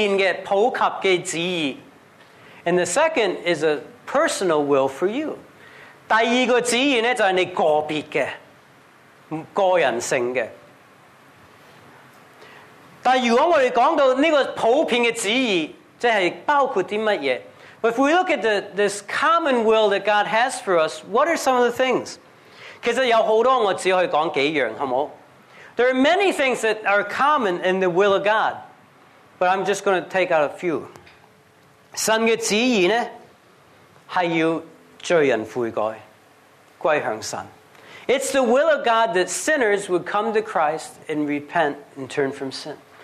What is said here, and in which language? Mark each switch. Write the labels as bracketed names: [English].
[Chinese] 第一可以说是普遍的普及的旨意, [English] and the second is a personal will for you. [Chinese] 第二个旨意就是你个别的个人性的. 但如果我们讲到这个普遍的旨意, 即是包括什么? [English] If we look at this common will that God has for us, what are some of the things? [Chinese] 其实有很多我只可以讲几样, 好吗? [English] There are many things that are common in the will of God, but I'm just going to take out a few. [Chinese] 神的旨意呢, 是要罪人悔改, 归向神. [English] It's the will of God that sinners would come to Christ and repent and turn from sin.